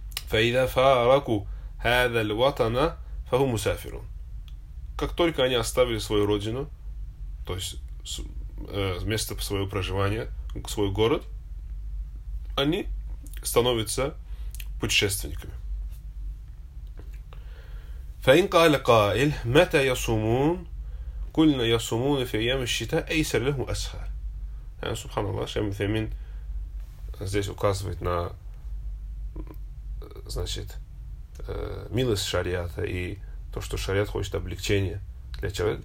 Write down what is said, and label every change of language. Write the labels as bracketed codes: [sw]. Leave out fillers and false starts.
[ar] فَإِذَا فَارَقُوا هَذَا الْوَطَنَ فَهُمْ مُسَافِرُونَ. [ru] Как только они оставили свою родину, то есть место своего проживания, свой город, они становятся путешественниками. [ar] فإن قال قائل متى يصومون قلنا يصومون في أيام الشتاء أيسر لهم أسهل. [tr] Yani [ru] Subhanallah, Şeyh Müthemin здесь указывает на, значит, милость шариата и то, что шариат хочет облегчения для человека.